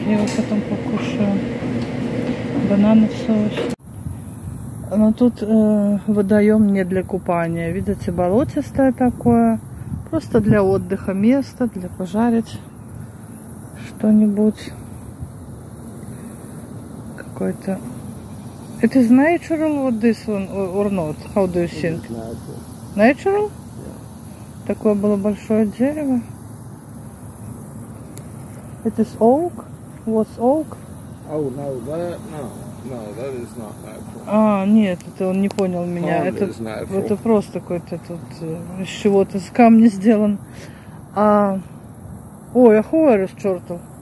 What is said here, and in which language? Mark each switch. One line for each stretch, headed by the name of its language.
Russian: Я его потом покушаю. Бананы в соусе. Но тут водоем не для купания. Видите, болотистое такое. Просто для отдыха место, для пожарить что-нибудь. Какой-то. Это
English: natural
Russian: вот
English: this one or not? How do you think? Natural? Yeah.
Russian: Такое было большое дерево.
English: It is oak? What's oak? Oh no, that no, that is not natural.
Russian: А, нет, это он не понял меня. Это просто какой-то тут из чего-то с камня сделан. А, ой, ахуэр из чертов.